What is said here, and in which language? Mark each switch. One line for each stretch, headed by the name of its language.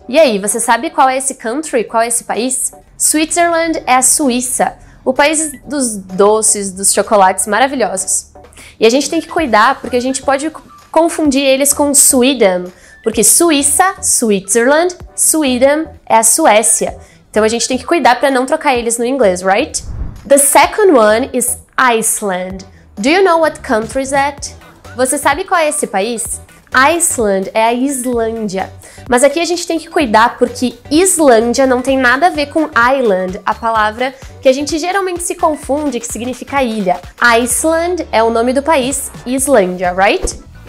Portuguese: E aí, você sabe qual é esse country, qual é esse país? Switzerland é a Suíça, o país dos doces, dos chocolates maravilhosos. E a gente tem que cuidar, porque a gente pode confundir eles com Sweden. Porque Suíça, Switzerland, Sweden é a Suécia. Então a gente tem que cuidar para não trocar eles no inglês, right?
English: The second one is Iceland. Do you know what country is that?
Portuguese: Você sabe qual é esse país? Iceland é a Islândia. Mas aqui a gente tem que cuidar porque Islândia não tem nada a ver com island, a palavra que a gente geralmente se confunde, que significa ilha. Iceland é o nome do país, Islândia, right?